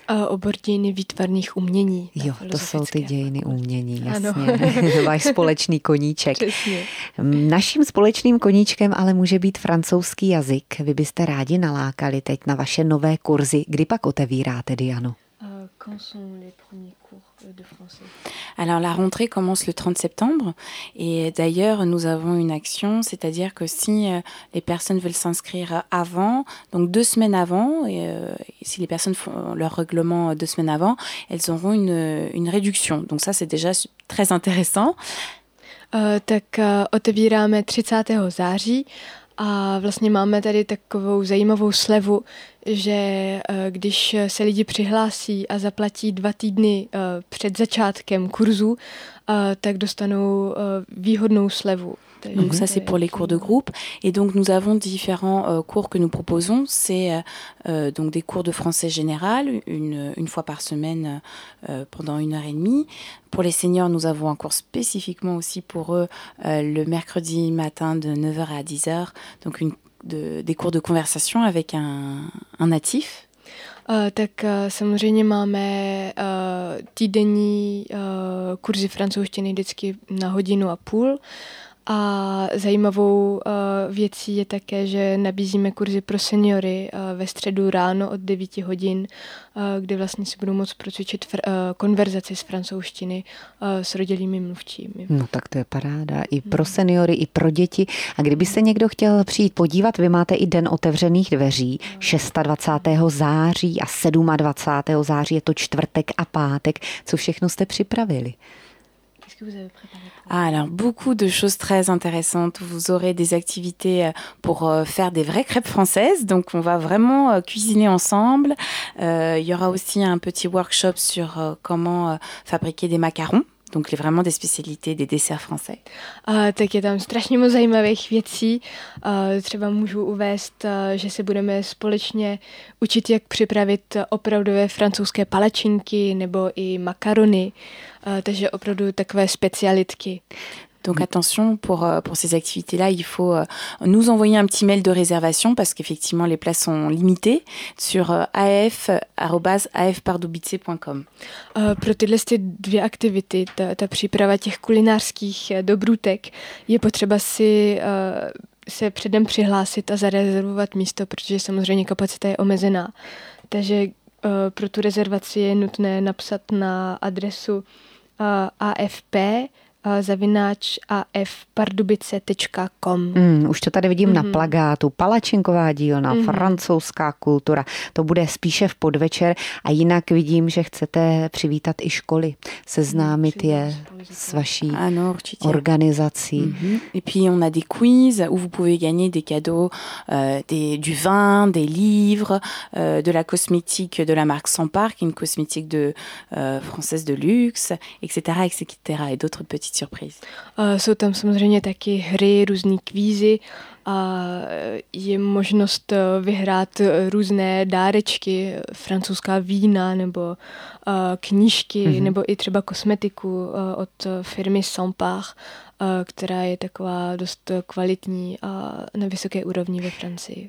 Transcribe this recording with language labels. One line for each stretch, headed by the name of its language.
Czech: Obor dějiny výtvarných umění. Jo, to jsou ty dějiny umění, jasně. Ano. Váš společný koníček. Přesně. Naším společným koníčkem ale může být francouzský jazyk. Vy byste rádi nalákali teď na vaše nové kurzy. Kdy pak otevíráte, Diano?
French: Quand sont les premiers cours de français? Alors la rentrée commence le 30 septembre et d'ailleurs nous avons une action, c'est-à-dire que si les personnes veulent s'inscrire avant, donc deux semaines avant, et si les personnes font leur règlement deux semaines avant, elles auront une réduction. Donc ça c'est déjà très intéressant.
Czech: Tak otevíráme 30. září. A vlastně máme tady takovou zajímavou slevu, že když se lidi přihlásí a zaplatí 2 týdny před začátkem kurzu, tak dostanou výhodnou slevu.
French: Donc ça c'est pour les cours de groupe et donc nous avons différents cours que nous proposons, c'est donc des cours de français général une fois par semaine pendant 1h30. Pour les seniors, nous avons un cours spécifiquement aussi pour eux le mercredi matin de 9h à 10h, donc des cours de conversation avec un natif.
Czech: Tak samozřejmě máme týdenní kurzy francouzštiny vždycky na hodinu a půl. A zajímavou věcí je také, že nabízíme kurzy pro seniory ve středu ráno od 9 hodin, kde vlastně si budou moct procvičit konverzaci z francouzštiny s rodilými mluvčími. No tak to je paráda. I pro seniory, i pro děti. A kdyby se někdo chtěl přijít podívat, vy máte i den otevřených dveří. 26. září a 27. září je to čtvrtek a pátek. Co všechno jste připravili?
French: Alors, beaucoup de choses très intéressantes. Vous aurez des activités pour faire des vraies crêpes françaises. Donc, on va vraiment cuisiner ensemble. Il y aura aussi un petit workshop sur comment fabriquer des macarons. Donc, les vraiment des spécialités des desserts français.
Czech: Tak je tam strašně moc zajímavých věcí. Třeba můžu uvést, že se budeme společně učit, jak připravit opravdové francouzské palačinky nebo i makarony. Takže opravdu takové specialitky.
French: Donc attention, pour ces activités-là, il faut nous envoyer un petit mail de réservation parce qu'effectivement, les places sont limitées sur af@afpardubice.com.
Czech: Pro tyhle dvě aktivity, ta příprava těch kulinářských dobrůtek, je potřeba si se předem přihlásit a zarezervovat místo, protože samozřejmě kapacita je omezená. Takže pro tu rezervaci je nutné napsat na adresu AFP, zavináč afpardubice.com. Už to tady vidím na plakátu. Palačinková dílna, francouzská kultura. To bude spíše v podvečer. A jinak vidím, že chcete přivítat i školy. Seznámit je s vaší organizací.
French: Et puis on a des quiz où vous pouvez gagner des cadeaux, du vin, des livres, de la cosmétique de la marque Sampar, une cosmétique de française de luxe, etc. etc. et d'autres petites surprise.
Czech: Jsou tam samozřejmě taky hry, různý kvízy a je možnost vyhrát různé dárečky, francouzská vína nebo knížky nebo i třeba kosmetiku od firmy Sampar, která je taková dost kvalitní a na vysoké úrovni ve Francii.